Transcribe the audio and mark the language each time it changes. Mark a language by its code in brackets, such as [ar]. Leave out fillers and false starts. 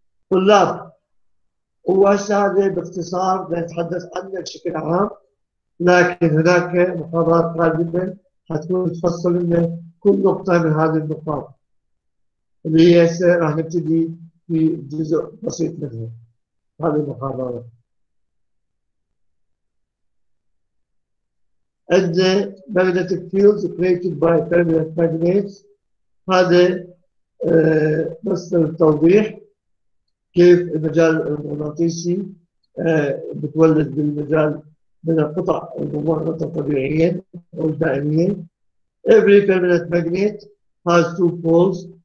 [ar] طلاب هو هذا باختصار نتحدث عنه بشكل عام، لكن هناك محاضرات قادمة حتكون تفصل لنا كل نقطة من هذه النقاط اللي هي راح نبتدي في جزء بسيط منها هذه المحاضرة. [en] And the magnetic fields created by permanent magnets. [ar] هذا مصدر التوضيح كيف المجال المغناطيسي بتولد بالمجال من القطع المغناطيسية الطبيعية أو الدائمية. [en] Every permanent magnet has two poles.